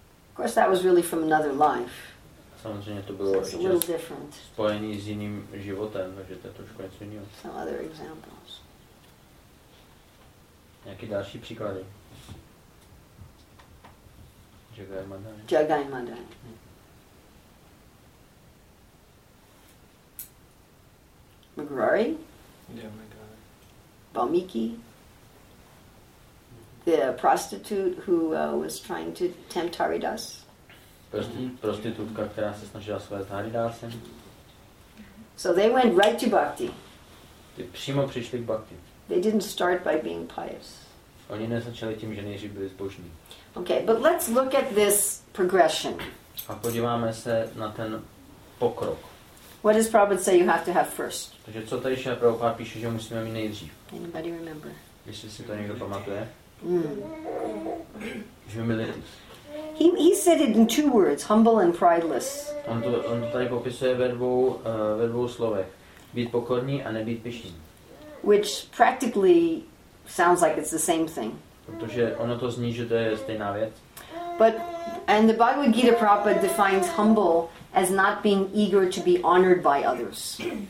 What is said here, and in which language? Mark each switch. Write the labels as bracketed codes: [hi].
[en] Of course that was really from another life. [cs] Samozřejmě to bylo spojené s jiným životem, takže to je trošku něco jiného. [en] Some other examples. [cs] Nějaké další příklady? [en] Jagai Madani. Jagai Madani. Magrari. Yeah, Balmiki. The prostitute who was trying to tempt Haridas. [cs] Prostitutka, která se snažila svést Haridasem. [en] So they went right to bhakti. [cs] Ty přímo přišli k bhakti. [en] They didn't start by being pious. [cs] Oni nezačali tím, že nejdřív byli zbožní. [en] Okay, but let's look at this progression. [cs] A podíváme se na ten pokrok. [en] What does Prabhupada say you have to have first? [cs] Takže co tady Šila Prabhupada píše, že musíme mít nejdřív? [en] Anybody remember? [cs] Jestli si to někdo pamatuje? [en] Humility. He said it in two words, humble and prideless. [cs] On to tady popisuje ve dvou slovech. Být pokorný a nebýt pyšný. [en] Which practically sounds like it's the same thing. [cs] Protože ono to zní, že to je stejná věc. [en] But and the Bhagavad Gita Prabhupada defines humble as not being eager to be honored by others.